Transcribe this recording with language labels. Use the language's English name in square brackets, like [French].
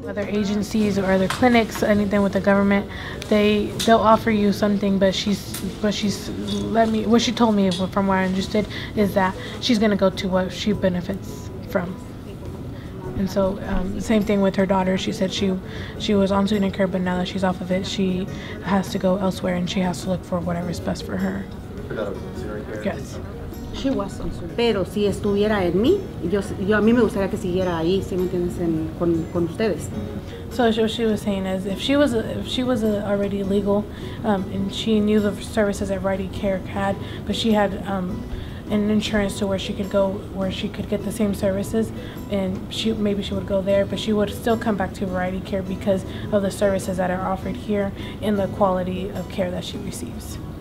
[English] Other agencies or other clinics, anything with the government, they'll offer you something, what she told me from what I understood is that she's going to go to what she benefits from. And so, same thing with her daughter. She said she was on student care, but now that she's off of it, she has to go elsewhere, and she has to look for whatever's best for her. Yes. She was on student. [Spanish] Pero si estuviera en mí, yo a mí me gustaría que siguiera ahí, si me entiendes, con ustedes. [English] So what she was saying is, if she was already legal, and she knew the services that Variety Care had, but she had. An insurance to where she could go, where she could get the same services, and maybe she would go there, but she would still come back to Variety Care because of the services that are offered here and the quality of care that she receives.